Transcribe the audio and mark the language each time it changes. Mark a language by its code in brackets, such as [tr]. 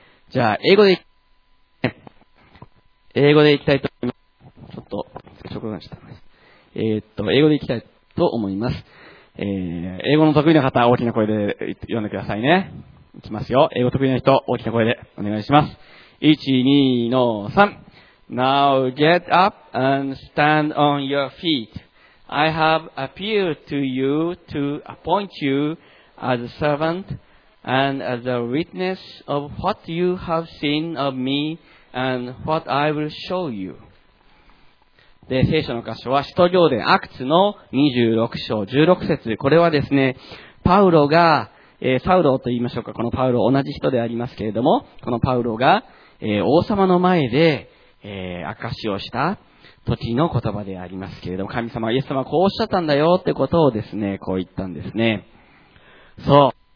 [ja] じゃあ、英語でいきたいと思います。ちょっと、接触がした。英語でいきたいと思います。英語の得意な方、大きな声で読んでくださいね。いきますよ。英語得意な人、大きな声でお願いします。 1、2、3。 [en] Now get up and stand on your feet. I have appealed to you to appoint you as a servant and as a witness of what you have seen of me and what I will show you. [ja] で、聖書の箇所は使徒行伝アクツの26章16節。これはですね、パウロが、サウロと言いましょうか。このパウロ同じ人でありますけれども、このパウロが、王様の前で、証をした時の言葉でありますけれども、神様、イエス様はこうおっしゃったんだよってことをですね、こう言ったんですね。そう。